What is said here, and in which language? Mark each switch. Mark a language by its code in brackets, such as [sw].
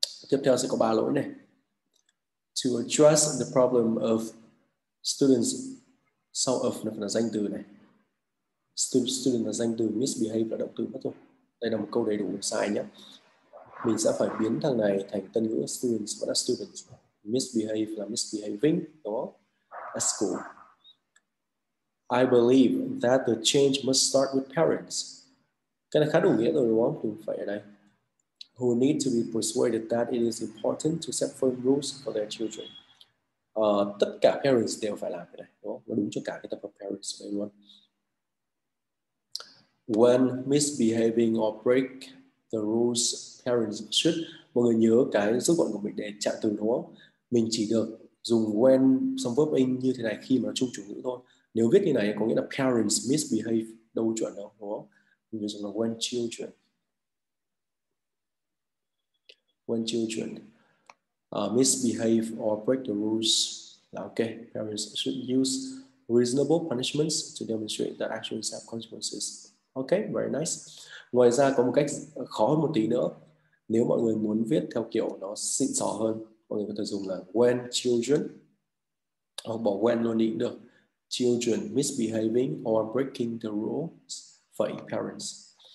[vi] Tiếp theo sẽ có 3 lỗi này. [en] To address the problem of students, [vi] sau of là danh từ này, student là danh từ, misbehave là động từ mất rồi. Đây là một câu đầy đủ sai nhé. Mình sẽ phải biến thằng này thành tân ngữ students, vẫn là students. Misbehave là misbehaving, đúng không? [en] A school. I believe that the change must start with parents. [vi] Cái này khá đủ nghĩa rồi đúng không? Đúng phải ở đây. [en] Who need to be persuaded that it is important to set firm rules for their children. [vi] Tất cả parents đều phải làm cái này, đúng không? Nó đúng cho cả cái tập hợp parents đây luôn. [en] When misbehaving or break the rules, parents should. [vi] Mọi người nhớ cái rút gọn của mình để trạng từ đúng không? Mình chỉ được dùng when xong verb in như thế này khi mà nó chung chủ ngữ thôi. Nếu viết như này có nghĩa là parents misbehave đâu chuẩn đâu, đúng không? Mình dùng là [en] when children. When children misbehave or break the rules, là ok. Parents should use reasonable punishments to demonstrate that actions have consequences. Ok, very nice. [vi] Ngoài ra có một cách khó hơn một tí nữa. Nếu mọi người muốn viết theo kiểu nó xịn xò hơn, mọi người có thể dùng là [en] when children, [vi] hoặc bỏ when luôn đi cũng được. [en] Children misbehaving or breaking the rules for parents.